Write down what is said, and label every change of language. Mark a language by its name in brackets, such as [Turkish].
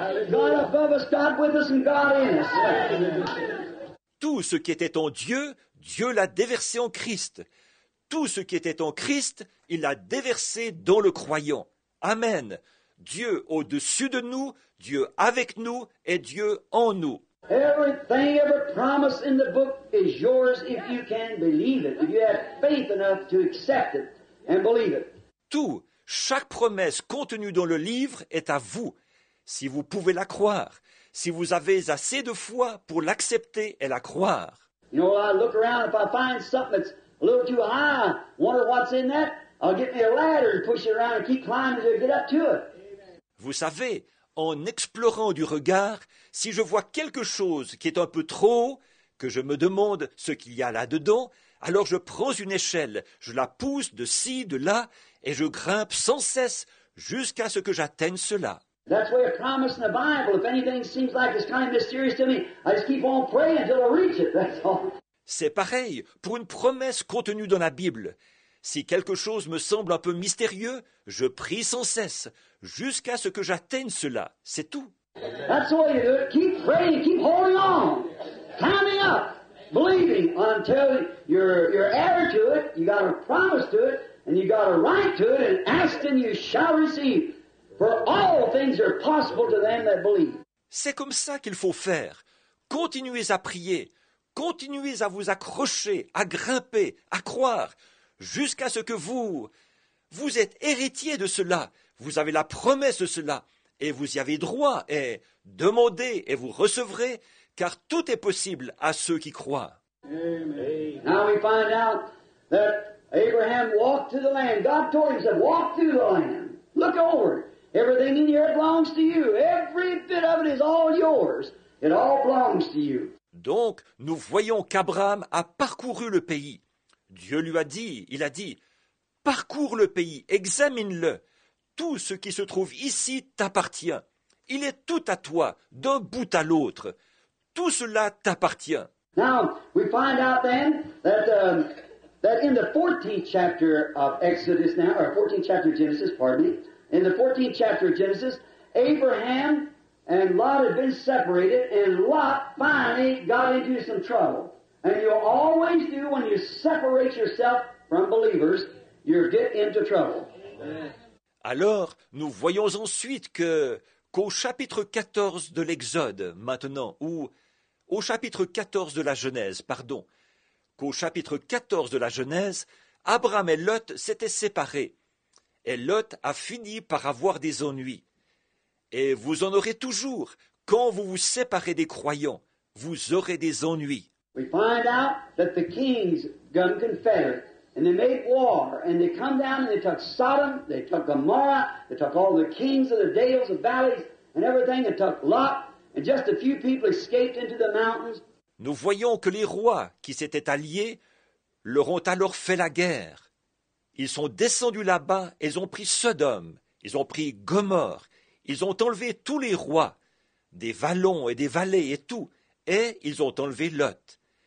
[English] God above us, God with us, and God in us. [French] Tout ce qui était en Dieu, Dieu l'a déversé en Christ. Tout ce qui était en Christ, il l'a déversé dans le croyant. Amen. Dieu au-dessus de nous, Dieu avec nous et Dieu en nous. [English] Everything ever promised in the book is yours if you can believe it, if you have faith enough to accept it and believe it. [French] Tout, chaque promesse contenue dans le livre est à vous, si vous pouvez la croire, si vous avez assez de foi pour l'accepter et la croire. [English] You know, I look around, if I find something that's a little too high, wonder what's in that, I'll get me a ladder and push it around and keep climbing to get up to it. [French] Vous savez, en explorant du regard, si je vois quelque chose qui est un peu trop haut, que je me demande ce qu'il y a là-dedans, alors je prends une échelle, je la pousse de ci, de là, et je grimpe sans cesse jusqu'à ce que j'atteigne cela. [English] That's why a promise in the Bible, if anything seems like it's kind of mysterious to me, I just keep on praying until I reach it, that's all. [French] C'est pareil pour une promesse contenue dans la Bible. Si quelque chose me semble un peu mystérieux, je prie sans cesse, jusqu'à ce que j'atteigne cela. C'est tout. [English] That's what you do. Keep praying, keep holding on. Climbing up, believing until you're heir to it, you got a promise to it, and you got a right to it, and ask and you shall receive. For all things are possible to them that believe. [French] C'est comme ça qu'il faut faire. Continuez à prier. Continuez à vous accrocher, à grimper, à croire. Jusqu'à ce que vous êtes héritier de cela, vous avez la promesse de cela, et vous y avez droit, et demandez, et vous recevrez, car tout est possible à ceux qui croient. Amen. [English] Now we find out that Abraham walked through the land. God told him, he said, walk through the land, look over, Everything in here belongs to you. Every bit of it is all yours. It all belongs to you. [French] Donc, nous voyons qu'Abraham a parcouru le pays. Dieu lui a dit, il a dit, « Parcours le pays, examine-le. Tout ce qui se trouve ici t'appartient. Il est tout à toi, d'un bout à l'autre. Tout cela t'appartient. » [English] Now, we find out then that in the 14th chapter of Exodus now, or 14th chapter of Genesis, pardon me, in the 14th chapter of Genesis, Abraham and Lot had been separated, and Lot finally got into some trouble. And you always do when you separate yourself from believers, you get into trouble. [French] Alors, nous voyons ensuite qu'au chapitre 14 de l'Exode, maintenant, ou au chapitre 14 de la Genèse, pardon, qu'au chapitre 14 de la Genèse, Abraham et Lot s'étaient séparés. Et Lot a fini par avoir des ennuis. Et vous en aurez toujours. Quand vous vous séparez des croyants, vous aurez des ennuis. [English] We find out that the kings got confederate, and they made war, and they come down, and they took Sodom, they took Gomorrah, they took all the kings of the dales and valleys, and everything, and took Lot, and just a few people escaped into the mountains. [French] Nous voyons que les rois qui s'étaient alliés leur ont alors fait la guerre. Ils sont descendus là-bas, ils ont pris Sodome, ils ont pris Gomorre, ils ont enlevé tous les rois, des vallons et des vallées et tout, et ils ont enlevé Lot.